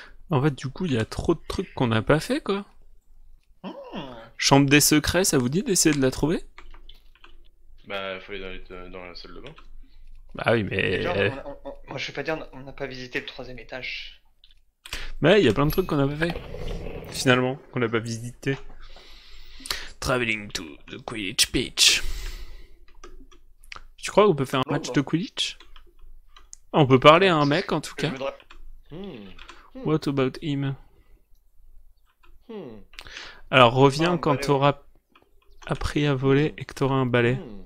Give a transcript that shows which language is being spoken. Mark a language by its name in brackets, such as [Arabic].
[French] En fait, du coup, il y a trop de trucs qu'on n'a pas fait, quoi. Chambre des secrets, ça vous dit d'essayer de la trouver? Bah, faut aller dans la salle de bain. Bah oui, mais. Moi, je vais pas dire, on n'a pas visité le troisième étage. Mais il y a plein de trucs qu'on a pas fait. Finalement, qu'on n'a pas visité. [English] Traveling to the Quidditch Pitch. [French] Tu crois qu'on peut faire un match de Quidditch? On peut parler à un mec, en tout cas. [English] What about him? [French] Alors, reviens quand t'auras appris à voler et que t'auras un balai.